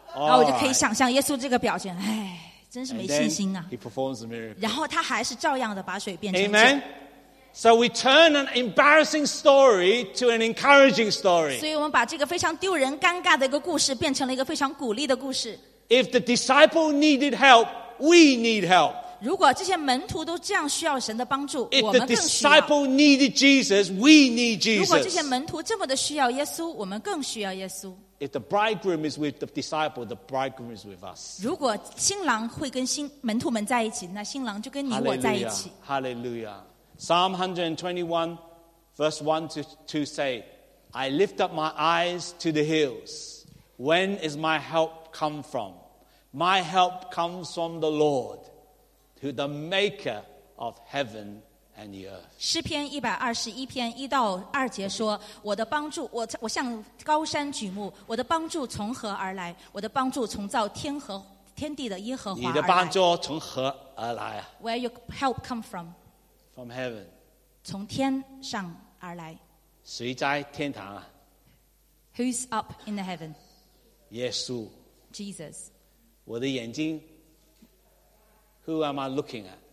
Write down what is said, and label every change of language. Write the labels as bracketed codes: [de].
[zh] 然后我就可以想象耶稣这个表情，哎，真是没信心啊。 [en] He performs the miracle. [zh] 然后他还是照样的把水变成酒。 [en] Amen. So we turn an embarrassing story to an encouraging story. [zh] 所以我们把这个非常丢人尴尬的一个故事变成了一个非常鼓励的故事。 [en] If the disciple needed help, we need help. [zh] 如果这些门徒都这样需要神的帮助，我们更需要。 [en] If the disciple needed Jesus, we need Jesus. [zh] 如果这些门徒这么的需要耶稣，我们更需要耶稣。 [en] If the bridegroom is with the disciple, the bridegroom is with us. [zh] 如果新郎会跟新门徒们在一起，那新郎就跟你我在一起。 [en] Hallelujah. Psalm 121, verse 1 to 2 say, I lift up my eyes to the hills. When is my help come from? My help comes from the Lord. To the maker of heaven and the earth. [zh] 诗篇121篇1到2节说，我的帮助，我向高山举目，我的帮助从何而来？我的帮助从造天和天地的耶和华而来。你的帮助从何而来啊？ [en] Where your help come from? From heaven. [zh] 从天上而来。谁在天堂啊？ [en] Who's up in the heaven? [zh] 耶稣。 [en] Jesus. [zh] 我的眼睛 [en] Who am I looking at?